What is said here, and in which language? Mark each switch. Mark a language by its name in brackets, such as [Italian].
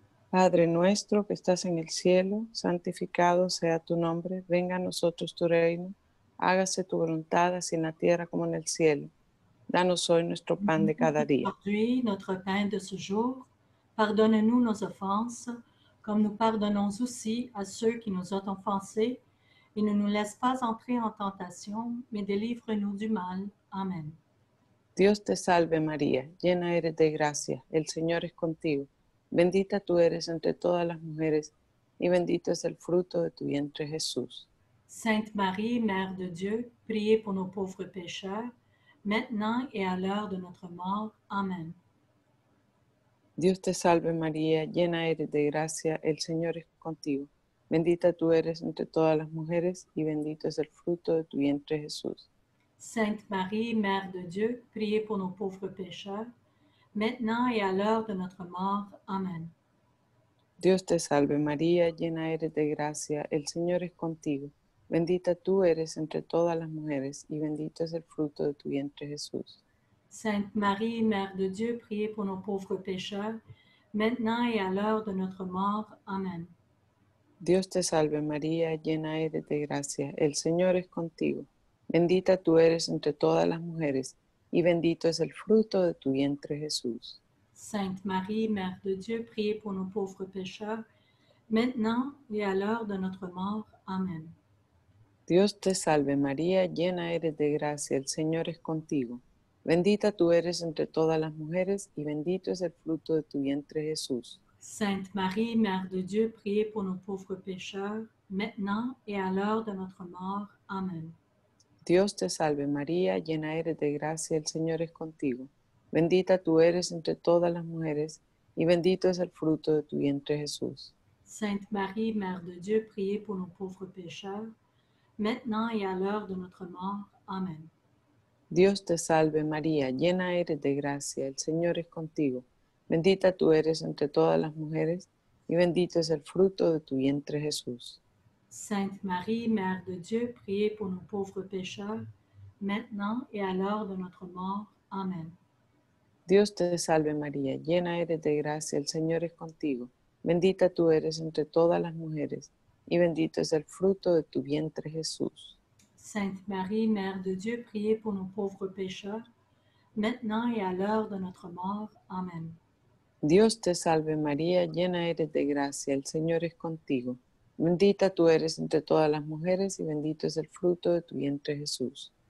[Spanish] Padre nuestro que estás en el cielo, santificado sea tu nombre, venga a nosotros tu reino. Hágase tu voluntad, así en la tierra como en el cielo. Danos hoy nuestro pan de cada día. [French] Aujourd'hui, notre pain de ce jour. Pardonne-nous nos offenses, comme nous pardonnons aussi à ceux qui nous ont offensés. Et ne nous laisse pas entrer en tentation, mais délivre-nous du mal. Amen. [Spanish] Dios te salve, María. Llena eres de gracia. El Señor es contigo. Bendita tú eres entre todas las mujeres, y bendito es el fruto de tu vientre, Jesús. [French] Sainte Marie, Mère de Dieu, priez pour nos pauvres pécheurs, maintenant et à l'heure de notre mort. Amen. [Spanish] Dios te salve, María, llena eres de gracia, el Señor es contigo. Bendita tú eres entre todas las mujeres, y bendito es el fruto de tu vientre, Jesús. [French] Sainte Marie, Mère de Dieu, priez pour nos pauvres pécheurs, maintenant et à l'heure de notre mort. Amen. [Spanish] Dios te salve, María, llena eres de gracia, el Señor es contigo. Bendita tú eres entre todas las mujeres, y bendito es el fruto de tu vientre, Jesús. [French] Sainte Marie, Mère de Dieu, priez pour nos pauvres pécheurs, maintenant et à l'heure de notre mort. Amen. [Spanish] Dios te salve, María, llena eres de gracia. El Señor es contigo. Bendita tú eres entre todas las mujeres, y bendito es el fruto de tu vientre, Jesús. [French] Sainte Marie, Mère de Dieu, priez pour nos pauvres pécheurs, maintenant et à l'heure de notre mort. Amen. [Spanish] Dios te salve, María, llena eres de gracia. El Señor es contigo. Bendita tú eres entre todas las mujeres, y bendito es el fruto de tu vientre, Jesús. [French] Sainte Marie, Mère de Dieu, priez pour nos pauvres pécheurs, maintenant et à l'heure de notre mort. Amen. [Spanish] Dios te salve, María, llena eres de gracia, el Señor es contigo. Bendita tú eres entre todas las mujeres, y bendito es el fruto de tu vientre, Jesús. [French] Sainte Marie, Mère de Dieu, priez pour nos pauvres pécheurs, maintenant et à l'heure de notre mort. Amen. [Spanish] Dios te salve, María, llena eres de gracia, el Señor es contigo. Bendita tú eres entre todas las mujeres, y bendito es el fruto de tu vientre, Jesús. [French] Sainte Marie, Mère de Dieu, priez pour nos pauvres pécheurs, maintenant et à l'heure de notre mort. Amen. [Spanish] Dios te salve, María, llena eres de gracia, el Señor es contigo. Bendita tú eres entre todas las mujeres, y bendito es el fruto de tu vientre, Jesús. [French] Sainte Marie, Mère de Dieu, priez pour nos pauvres pécheurs, maintenant et à l'heure de notre mort. Amen. [Spanish] Dios te salve, María, llena eres de gracia, el Señor es contigo. Bendita tú eres entre todas las mujeres, y bendito es el fruto de tu vientre, Jesús.